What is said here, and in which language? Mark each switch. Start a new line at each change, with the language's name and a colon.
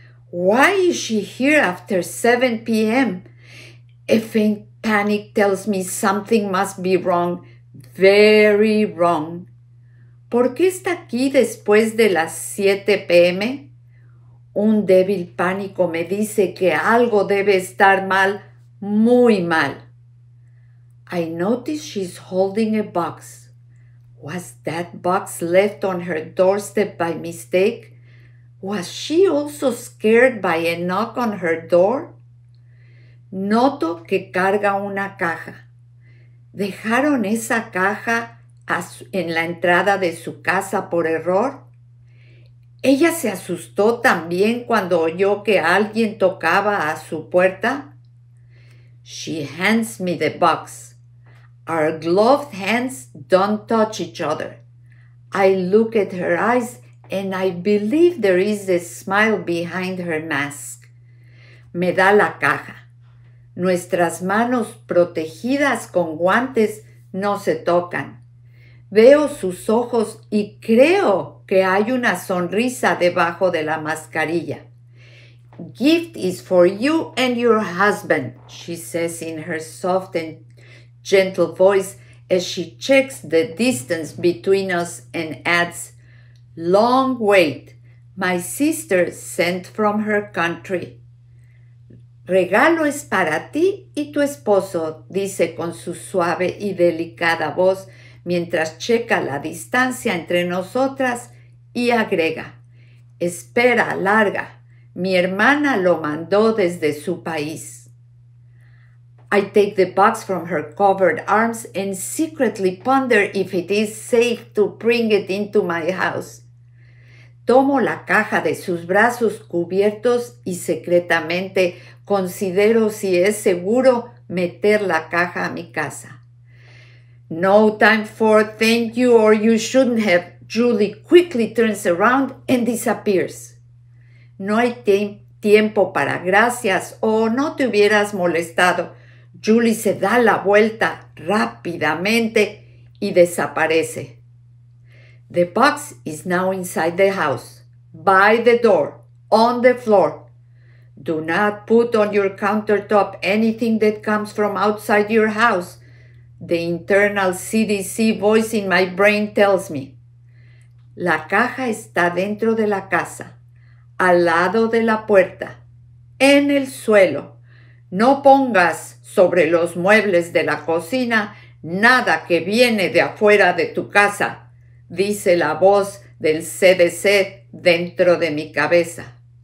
English: Why is she here after 7 p.m.? A faint panic tells me something must be wrong, very wrong.
Spanish: ¿Por qué está aquí después de las 7 p.m.? Un débil pánico me dice que algo debe estar mal, muy mal.
English: I notice she's holding a box. Was that box left on her doorstep by mistake? Was she also scared by a knock on her door?
Spanish: Noto que carga una caja. ¿Dejaron esa caja en la entrada de su casa por error? ¿Ella se asustó también cuando oyó que alguien tocaba a su puerta?
English: She hands me the box. Our gloved hands don't touch each other. I look at her eyes and I believe there is a smile behind her mask.
Spanish: Me da la caja. Nuestras manos protegidas con guantes no se tocan. Veo sus ojos y creo que hay una sonrisa debajo de la mascarilla.
English: Gift is for you and your husband, she says in her soft and gentle voice as she checks the distance between us and adds, long wait, My sister sent from her country.
Spanish: Regalo es para ti y tu esposo, dice con su suave y delicada voz mientras checa la distancia entre nosotras y agrega. Espera, larga. Mi hermana lo mandó desde su país.
English: I take the box from her covered arms and secretly ponder if it is safe to bring it into my house.
Spanish: Tomo la caja de sus brazos cubiertos y secretamente considero si es seguro meter la caja a mi casa.
English: No time for thank you or you shouldn't have. Julie quickly turns around and disappears.
Spanish: No hay tiempo para gracias o no te hubieras molestado. Julie se da la vuelta rápidamente y desaparece.
English: The box is now inside the house, by the door, on the floor. Do not put on your countertop anything that comes from outside your house, the internal CDC voice in my brain tells me.
Spanish: La caja está dentro de la casa, al lado de la puerta, en el suelo. No pongas sobre los muebles de la cocina nada que viene de afuera de tu casa, dice la voz del CDC dentro de mi cabeza.